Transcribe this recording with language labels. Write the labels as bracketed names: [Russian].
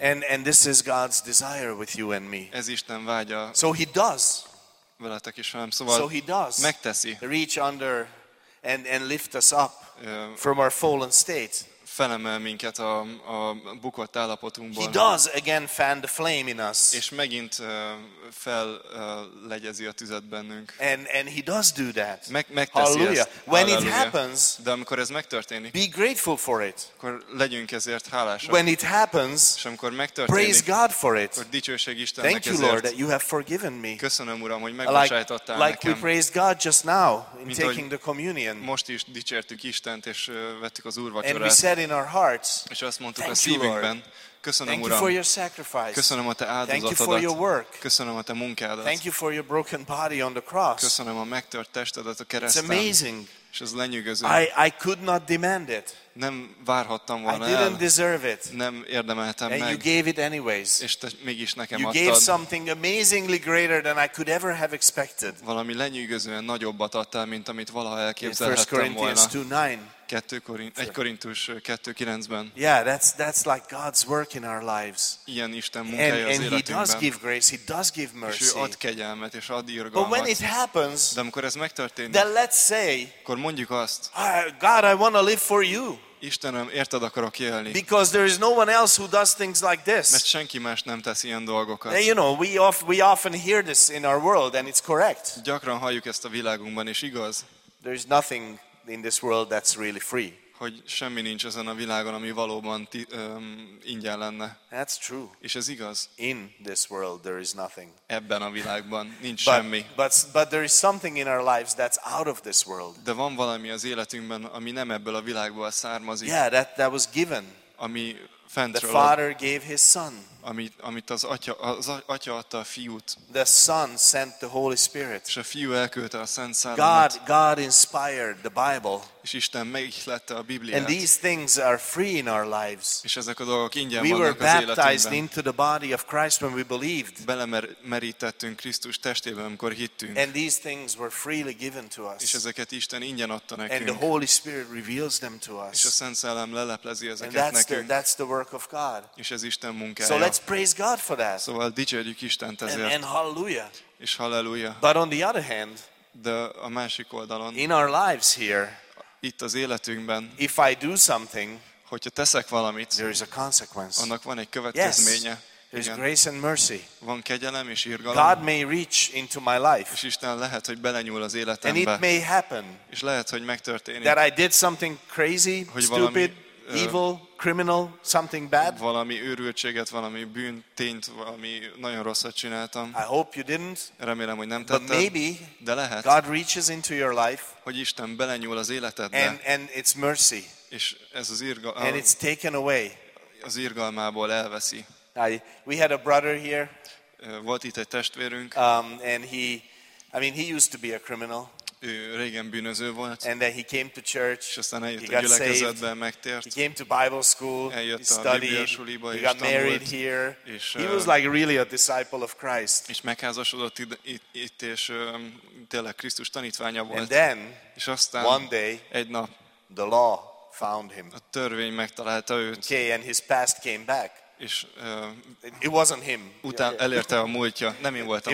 [English] And this is God's desire with you and me. [Hungarian] Ez Isten vágya. [English] So he does. [Hungarian] Veletek is velem. Szóval [English] so he does. [Hungarian] Megteszi. [English] Reach under and lift us up from our fallen state. [Hungarian] Felemel minket a bukott állapotunkból. [English] He does again fan the flame in us. [Hungarian] És megint fellegyezi a tüzet bennünk. [English] And he does do that. [Hungarian] Megteszi hallelujah. Ezt. [English] When it happens, [Hungarian] de amikor ez megtörténik, [English] be grateful for it. [Hungarian] Akkor legyünk ezért hálásak. [English] When it happens, [Hungarian] és amikor megtörténik, [English] praise God for it. [Hungarian] Akkor dicsőség Istennek. [English] Thank you, [Hungarian] ezért. [English] Lord, that you have forgiven me. [Hungarian] Köszönöm, Uram, hogy megbocsájtottál [English] like [Hungarian] nekem. [English] Like we praised God just now in taking the communion. [Hungarian] Most is dicsértük Istent és vettük az úrvacsorát. [English] And we said in our hearts. [Hungarian] És azt mondtuk a szívünkben. Köszönöm, [English] thank [Hungarian] Uram. [English] You for your sacrifice. [Hungarian] Köszönöm a te áldozatodat. [English] Thank you for your work. [Hungarian] Köszönöm a te munkádat. [English] Thank you for your broken body on the cross. [Hungarian] Köszönöm a megtört testedet a kereszten. [English] It's amazing. [Hungarian] És ez lenyűgöző. [English] I could not demand it. [Hungarian] Nem várhattam volna el. [English] I didn't [Hungarian] el. [English] Deserve it. [Hungarian] Nem érdemeltem [English] and [Hungarian] meg. [English] You gave it anyways. [Hungarian] És te mégis nekem [English] you [Hungarian] adtad. [English] Gave something amazingly greater than I could ever have expected. [Hungarian] Valami lenyűgözően nagyobbat adtál, mint amit valaha elképzelhettem volna. [English] 1 Corinthians 2:9. [Hungarian] 1 Korintus 2:9-ben. [English] Yeah, that's like God's work in our lives. [Hungarian] Ilyen Isten munkája az életünkben. [English] And he does give grace, he does give mercy. [Hungarian] És ő ad kegyelmet és ad irgalmat. [English] But when it happens, [Hungarian] de amikor ez megtörténik, [English] then let's say, [Hungarian] akkor mondjuk azt, [English] God, I want to live for you. [Hungarian] Istenem, érted akarok élni. [English] Because there is no one else who does things like this. [Hungarian] Mert senki más nem tesz ilyen dolgokat. [English] You know, we often hear this in our world, and it's correct. [Hungarian] Gyakran halljuk ezt a világunkban, és igaz. [English] There is nothing in this world that's really free. [Hungarian] Hogy semmi nincs ezen a világon, ami valóban ingyen lenne. [English] That's true. [Hungarian] És ez igaz. [English] In this world there is nothing. [Hungarian] Ebben a világban nincs [English] but, [Hungarian] semmi. [English] But there is something in our lives that's out of this world. [Hungarian] De van valami az életünkben, ami nem ebből a világból származik. [English] Yeah, that was given. [Hungarian] Ami fentről. [English] The Father gave his Son. [Hungarian] Amit az atya adta a fiút. [English] The Son sent the Holy Spirit. [Hungarian] És a fiú elküldte a Szent Szellemet. [English] God inspired the Bible. [Hungarian] És Isten megihlette a Bibliát. [English] And these things are free in our lives. [Hungarian] És ezek a dolgok ingyen vannak az életünkben. [English] We were baptized [Hungarian] életünkben. [English] Into the body of Christ when we believed. [Hungarian] Belemerítettünk Krisztus testébe, amikor hittünk. [English] And these things were freely given to us. [Hungarian] És ezeket Isten ingyen adta nekünk. [English] And the Holy Spirit reveals them to us. [Hungarian] És a Szent Szellem leleplezi ezeket [English] and that's [Hungarian] nekünk. [English] And that's the work of God. [Hungarian] És ez Isten munkája. [English] So let's praise God for that. [Hungarian] Szóval dicsérjük Istent ezért. [English] And hallelujah. [Hungarian] És hallelujah. [English] But on the other hand, [Hungarian] de a másik oldalon, [English] in our lives here, [Hungarian] itt az életünkben, [English] if I do something, [Hungarian] hogyha teszek valamit, [English] there is a consequence. [Hungarian] Annak van egy következménye. [English] There is grace and mercy. [Hungarian] Van kegyelem és irgalom. [English] God may reach into my life. [Hungarian] És Isten lehet, hogy belenyúl az életembe. [English] And it may happen. [Hungarian] És lehet, hogy megtörténik. [English] That I did something crazy, stupid, evil, criminal, something bad. [Hungarian] Valami őrültséget, valami bűntényt, valami nagyon rosszat csináltam. [English] I hope you didn't. [Hungarian] Remélem, hogy nem tetted. [English] But maybe, [Hungarian] de lehet, [English] God reaches into your life. [Hungarian] Hogy Isten belenyúl az életedbe. [English] And it's mercy. [Hungarian] És ez az irgalom. [English] And it's taken away. [Hungarian] Az irgalmából elveszi. [English] We had a brother here. [Hungarian] Volt itt egy testvérünk. [English] He used to be a criminal. [Hungarian] Ő régen bűnöző volt. [English] And then he came to church. [Hungarian] És aztán eljött a gyülekezetbe, megtért. [English] He came to Bible school. [Hungarian] Eljött [English] he studied. [Hungarian] A Biblia suliba, [English] he got married here. [Hungarian] És, [English] he was like really a disciple of Christ. [Hungarian] És megházasodott itt és tényleg Krisztus tanítványa volt. [English] And then, [Hungarian] és aztán [English] one day, [Hungarian] egy nap, [English] the law found him. [Hungarian] A törvény megtalálta őt. [English] Okay, and his past came back. [Hungarian] És [English] it wasn't him. [Hungarian] Utána elérte a múltja. Nem én voltam